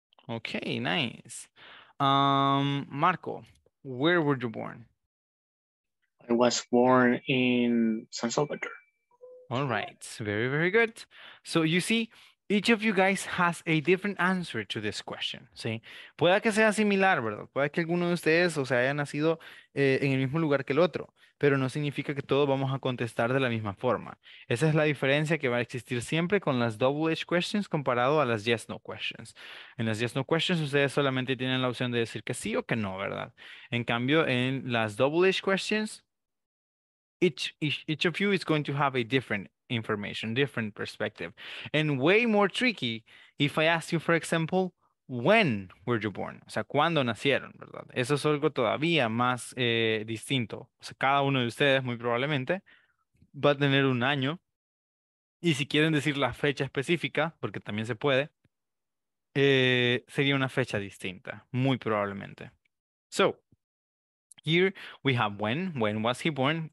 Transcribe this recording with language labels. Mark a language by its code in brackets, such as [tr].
[en] Okay, nice. Marco, where were you born? I was born in San Salvador. All right, very, very good. So you see, each of you guys has a different answer to this question, ¿sí? [es] Puede que sea similar, ¿verdad? Puede que alguno de ustedes, o sea, haya nacido en el mismo lugar que el otro, pero no significa que todos vamos a contestar de la misma forma. Esa es la diferencia que va a existir siempre con las double H questions comparado a las yes-no questions. En las yes-no questions, ustedes solamente tienen la opción de decir que sí o que no, ¿verdad? En cambio, en las double H questions, [en] each of you is going to have a different information, different perspective. And way more tricky if I ask you, for example, when were you born? [es] O sea, ¿cuándo nacieron? ¿Verdad? Eso es algo todavía más distinto. O sea, cada uno de ustedes, muy probablemente, va a tener un año. Y si quieren decir la fecha específica, porque también se puede, sería una fecha distinta, muy probablemente. [en] So, here we have when was he born?